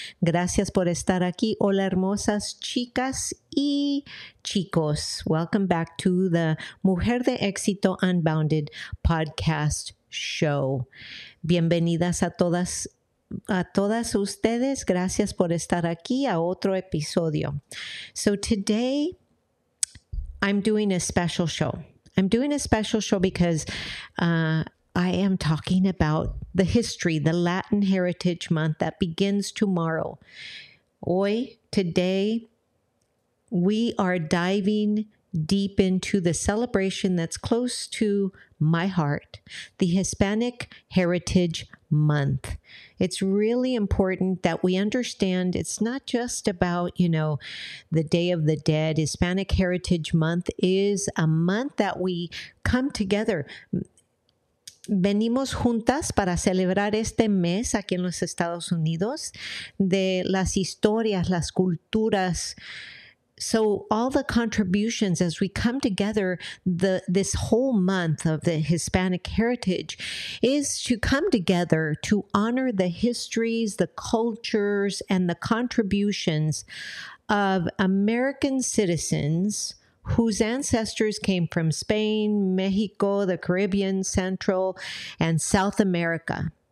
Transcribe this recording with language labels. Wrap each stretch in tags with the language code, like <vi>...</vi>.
<es>Gracias por estar aquí, hola hermosas, chicas y chicos.</es> <en>Welcome back to the Mujer de Éxito, Unbounded podcast show.</en> <es>Bienvenidas a todas. A todas ustedes, gracias por estar aquí a otro episodio.</es> <en>So today, I'm doing a special show. I'm doing a special show because I am talking about the history, the Latin Heritage Month that begins tomorrow.</en> <es>Hoy,</es> <en>today, we are diving deep into the celebration that's close to my heart, the Hispanic Heritage Month. It's really important that we understand it's not just about, you know, the Day of the Dead. Hispanic Heritage Month is a month that we come together.</en> <es>Venimos juntas para celebrar este mes aquí en los Estados Unidos de las historias, las culturas.</es> <en>So all the contributions as we come together, this whole month of the Hispanic heritage is to come together to honor the histories, the cultures, and the contributions of American citizens whose ancestors came from Spain, Mexico, the Caribbean, Central, and South America.</en>